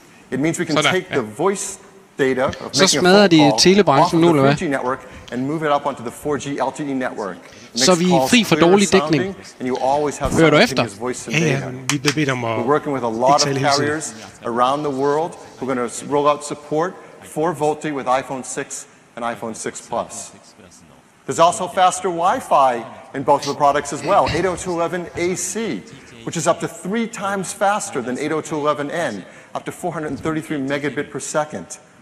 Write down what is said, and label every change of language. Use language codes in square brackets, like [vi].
[en] It means we can take the voice data of making a phone call. [da] Så smadrer de telebranchen nu, eller hvad? [en] Network and move it up onto the 4G LTE network. [da] Så vi er fri for dårlig dækning. Hører du efter? Ja, ja. Vi bliver bedt om at ikke tale hele tiden. [en] Around the world, we're going to roll out support for VoLTE with iPhone 6 and iPhone 6 Plus. There's also faster Wi-Fi in both of the products as well, 802.11ac, which is up to 3 times faster than 802.11n, up to 433 megabit per second.